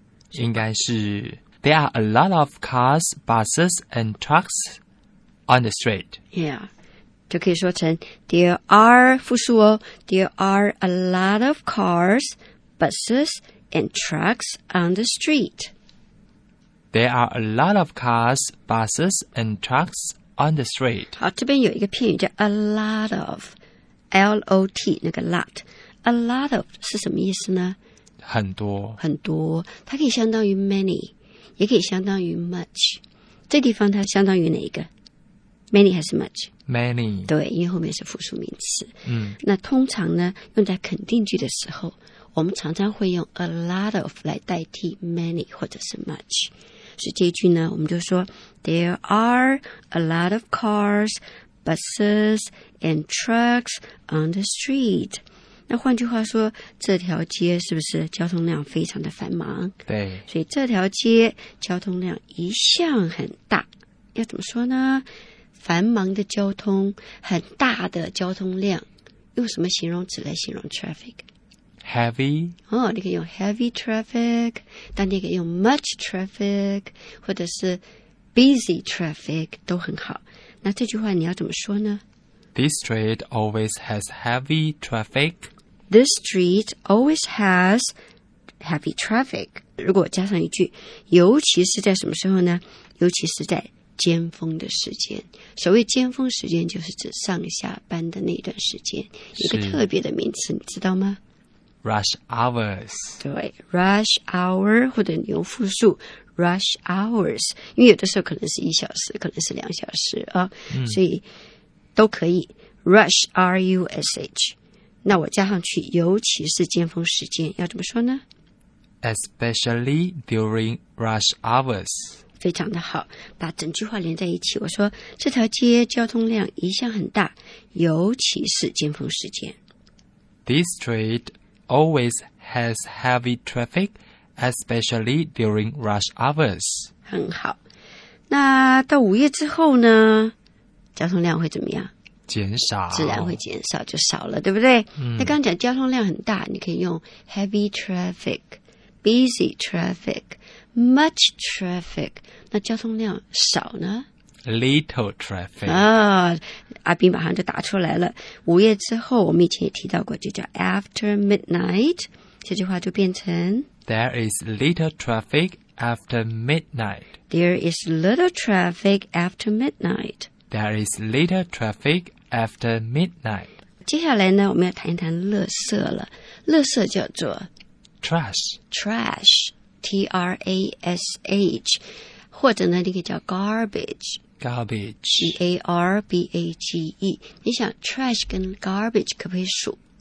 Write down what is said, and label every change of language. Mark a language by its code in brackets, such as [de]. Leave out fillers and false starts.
[zh] 应该是 [en] There are a lot of cars, buses and trucks on the street. Yeah， [zh] 就可以说成 [en] There are [zh] 复数哦， [en] There are a lot of cars, buses and trucks on the street There are a lot of cars, buses, and trucks on the street. [zh] 好，这边有一个片语叫 a lot of, L-O-T, 那个 lot. A lot of 是什么意思呢？很多。很多，它可以相当于 many, 也可以相当于 much. 这地方它相当于哪一个？ [en] Many 还是 much? Many. [zh] 对，因为后面是复数名词。嗯。那通常呢，用在肯定句的时候，我们常常会用 a lot of 来代替 many 或者是 much， 所以这句呢我们就说 [en] There are a lot of cars, buses and trucks on the street。 [zh] 那换句话说，这条街是不是交通量非常的繁忙？对，所以这条街交通量一向很大。要怎么说呢？繁忙的交通，很大的交通量，用什么形容词来形容 traffic [en] Heavy [zh] 哦，你可以用 heavy traffic， 但你可以用 much traffic 或者是 busy traffic 都很好。那这句话你要怎么说呢？ [en] This street always has heavy traffic. This street always has heavy traffic. [zh] 如果加上一句，尤其是在什么时候呢？尤其是在尖峰的时间。所谓尖峰时间，就是指上下班的那段时间，一个特别的名词，你知道吗？ [en] Rush hours， [zh] 对 ，rush hour 或者你用复数 rush hours， 因为有的时候可能是一小时，可能是两小时啊，所以都可以 rush r u s h。那我加上去，尤其是尖峰时间，要怎么说呢 [en] ？Especially during rush hours， [zh] 非常的好，把整句话连在一起。我说这条街交通量一向很大，尤其是尖峰时间。 [en] This street. Always has heavy traffic, especially during rush hours. [zh] 很好。那到午夜之后呢？交通量会怎么样？减少。自然会减少，就少了，对不对？那刚讲交通量很大，你可以用 heavy traffic, busy traffic, much traffic. 那交通量少呢？ [en] Little traffic [zh] 啊，阿斌马上就答出来了。午夜之后，我们以前也提到过，就叫 after midnight。这句话就变成 [en] There is little traffic after midnight. There is little traffic after midnight. There is little traffic after midnight. [zh] 接下来呢，我们要谈一谈垃圾了。垃圾叫做 [en] trash， trash， T R A S H。 [zh] 或者呢，你可以叫 garbage，garbage，G-A-R-B-A-G-E。你想 trash 跟 garbage 可不可以数？